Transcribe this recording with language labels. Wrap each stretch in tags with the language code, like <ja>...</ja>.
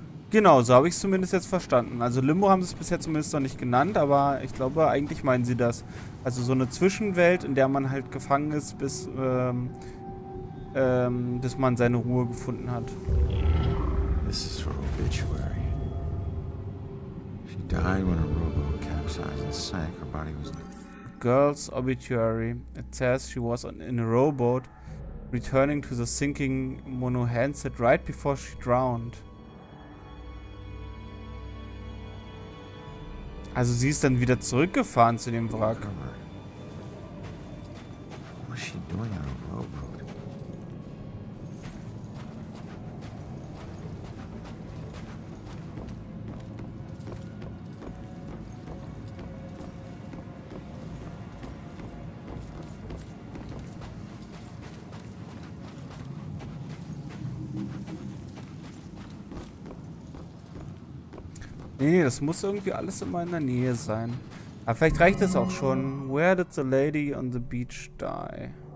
<de>Genau, so habe ich es zumindest jetzt verstanden. Also Limbo haben sie es bisher zumindest noch nicht genannt, aber ich glaube, eigentlich meinen sie das. Also so eine Zwischenwelt, in der man halt gefangen ist, bis man seine Ruhe gefunden hat.</de> <en>This is her obituary. She died when a robo capsized and sank. Her body was... Girl's obituary. It says she was in a rowboat. Returning to the sinking Mono Hansett right before she drowned.</en> <de>Also sie ist dann wieder zurückgefahren zu dem Wrack.</de> <en>What is she doing on a rowboat?</en> <de>Nee, das muss irgendwie alles immer in der Nähe sein. Aber vielleicht reicht es auch schon.</de> <en>Where did the lady on the beach die?</en>